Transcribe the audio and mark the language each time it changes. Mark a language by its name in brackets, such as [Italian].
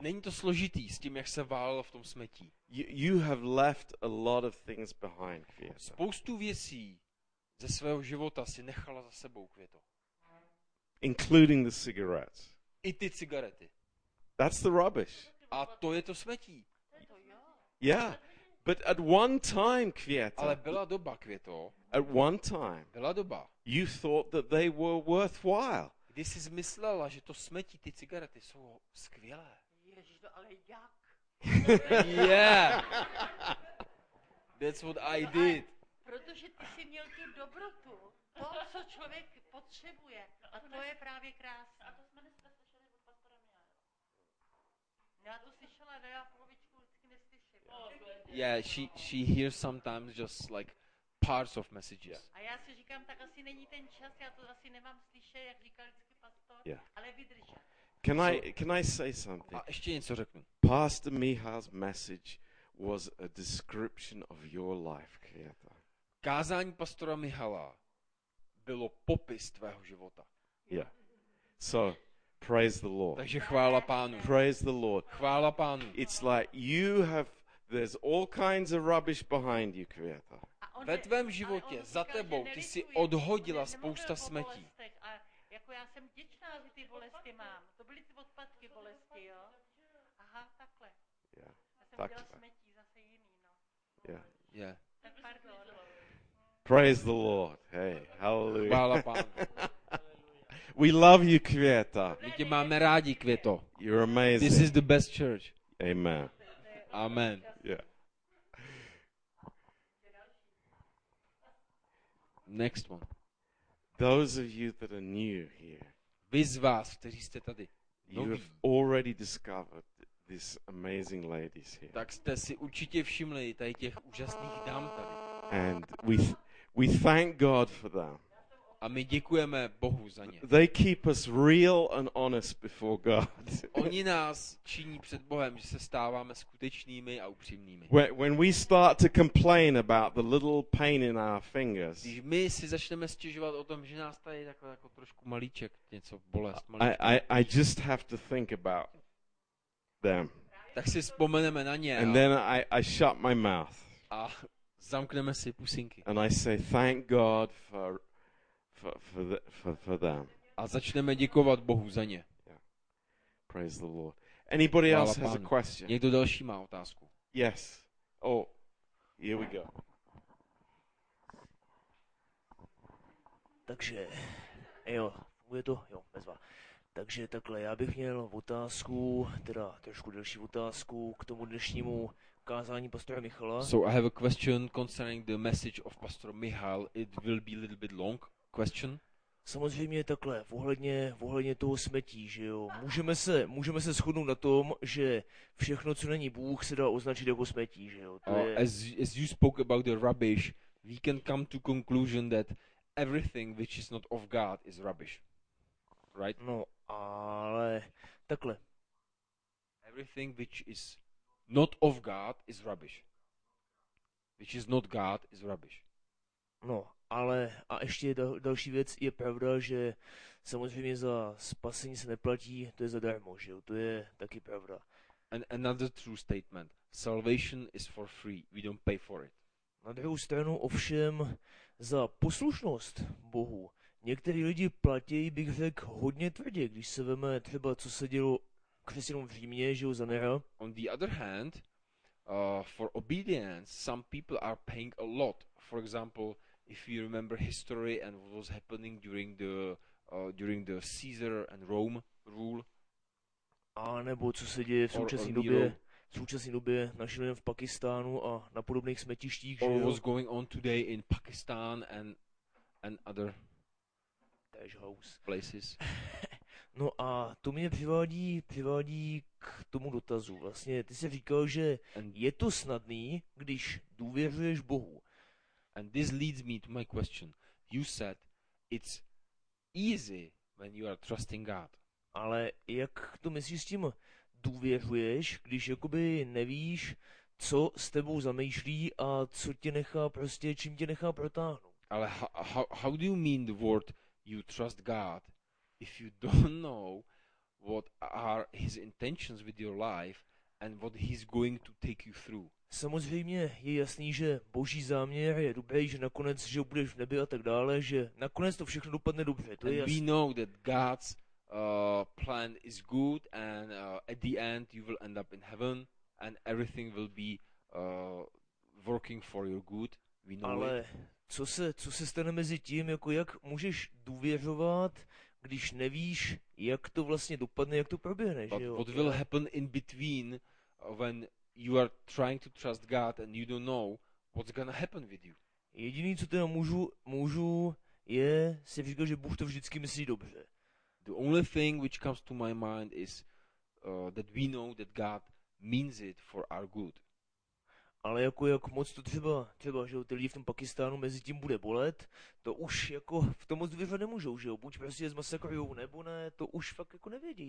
[Czech] Není to složitý s tím, jak se válelo v tom smetí. [English] You have left a lot of things behind, Květo. [Czech] Spoustu věcí ze svého života si nechala za sebou, Květo. [English] Including the cigarettes. [Czech] I ty cigarety. [English] That's the rubbish. [Czech] A to je to smetí. [English] Yeah, but at one time, Květo. [Czech] Ale byla doba, Květo. [English] At one time. [Czech] Byla doba. [English] You thought that they were worthwhile. [Czech] Ty jsi myslela, že to smetí, ty cigarety jsou skvělé. Ježiš, ale jak? [English] Yeah. That's what I did. [Czech] Protože ty jsi měl tu dobrotu, to, co člověk potřebuje. A to je právě krásné. A to jsme dneska slyšeli od pastora Mia. Já to slyšela, ale já polovičku vždycky neslyším. [English] Yeah, she hears sometimes just like parts of messages. [Czech] A já si říkám, tak asi není ten čas, já to asi nemám slyšet, jak říkal vždycky pastor, [English] yeah. [Czech] Ale vydržet. [English] Can I say something? [Czech] A ještě něco řeknu. [English] Pastor Michal's message was a description of your life, Květa. [Czech] Kázání pastora Michala bylo popis tvého života. [English] Yeah. So, praise the Lord. [Czech] Takže chvála Pánu. [English] Praise the Lord. [Czech] Chvála Pánu. [English] It's like you have, there's all kinds of rubbish behind you, Květa. [Czech] Ve tvém životě, říkal, za tebou, ty jsi odhodila spousta smetí. A jako já jsem vděčná, že ty bolesti mám. To byly ty odpadky bolesti, jo? Aha, takhle. [English] Yeah. [Czech] Já jsem tak udělala smetí, zase jiný, no. [English] Yeah. Yeah. [Czech] Tak pardon. [English] Praise the Lord, hey, hallelujah. [Czech] Chvála Pánu. [English] We love you, Květa. [Czech] My tě máme rádi, Květo. [English] You're amazing. This is the best church. Amen. Amen. Yeah. Next one. Those of you that are new here. [Czech] Vy z vás, kteří jste tady. [English] You have already discovered this amazing ladies here. [Czech] Tak jste si určitě všimli tady těch úžasných dám tady. [English] And we thank God for them. [Czech] A my děkujeme Bohu za ně. [English] They keep us real and honest before God. [Czech] Oni nás činí před Bohem, že se stáváme skutečnými a upřímnými. [English] When we start to complain about the little pain in our fingers. [Czech] Když my si začneme stěžovat o tom, že nás tady takhle jako trošku malíček něco bolest, malíček. [English] I just have to think about them. [Czech] Tak si vzpomeneme na ně. [English] And then I shut my mouth. [Czech] A zamkneme si pusinky. [English] And I say thank God for them. [Czech] A začneme děkovat Bohu za ně. [English] Yeah. Praise the Lord. Anybody [Czech] Chvála [English] else has [Czech] Pánu. [English] A question? [Czech] Někdo další má otázku? [English] Yes. Oh, here we go. [Czech] Takže, jo, funguje to? Jo, bezva. Takže takhle, já bych měl otázku, teda trošku delší otázku k tomu dnešnímu kázání pastora Michala. [English] So I have a question concerning the message of Pastor Michal. It will be a little bit long question. [Czech] Samozřejmě takhle, ohledně toho smetí, že jo. Můžeme se shodnout na tom, že všechno, co není Bůh, se dá označit jako smetí, že jo. To je... [English] As you spoke about the rubbish, we can come to conclusion that everything which is not of God is rubbish. Right? [Czech] No, ale takhle. [English] Everything which is not of God is rubbish. Which is not God is rubbish. [Czech] No, ale a ještě další věc je pravda, že samozřejmě za spasení se neplatí, to je zadarmo, že jo? To je taky pravda. [English] And another true statement. Salvation is for free. We don't pay for it. [Czech] Na druhou stranu ovšem za poslušnost Bohu někteří lidi platí, bych řekl, hodně tvrdě, když se veme třeba, co se dělo křesťanům v Římě, žijou za Nera. [English] On the other hand, for obedience, some people are paying a lot. For example, if you remember history and what was happening during the Caesar and Rome rule. [Czech] A nebo co se děje v současné době našim lidem v Pakistánu a na podobných smetištích, [English] or what's going on today in Pakistan and other places. [Czech] No a to mě přivádí k tomu dotazu. Vlastně ty jsi říkal, že je to snadný, když důvěřuješ Bohu. [English] And this leads me to my question. You said it's easy when you are trusting God. [Czech] Ale jak to myslíš s tím důvěřuješ, když jakoby nevíš, co s tebou zamýšlí a co tě nechá prostě, čím tě nechá protáhnout? Ale [English] how do you mean the word you trust God if you don't know what are his intentions with your life and what he's going to take you through? [Czech] Samozřejmě je jasný, že boží záměr je dobrý, že nakonec, že budeš v nebi a tak dále, že nakonec to všechno dopadne dobře, to je jasný. [English] We know that God's plan is good and at the end you will end up in heaven and everything will be working for your good. We know [Czech] ale [English] it. [Czech] Co se stane mezi tím, jako jak můžeš důvěřovat, když nevíš, jak to vlastně dopadne, jak to proběhne, [English] but [Czech] že jo? [English] What will happen in between when you are trying to trust God and you don't know what's gonna happen with you? [Czech] Jediný, co teda můžu je si říkat, že Bůh to vždycky myslí dobře. [English] The only thing which comes to my mind is that we know that God means it for our good. [Czech] Ale jak moc to třeba že ty lidi v tom Pakistánu mezi tím bude bolet, to už jako v tom moc důvěřovat nemůžou, že jo, buď prostě zmasakrujou nebo ne, to už fakt jako nevědí.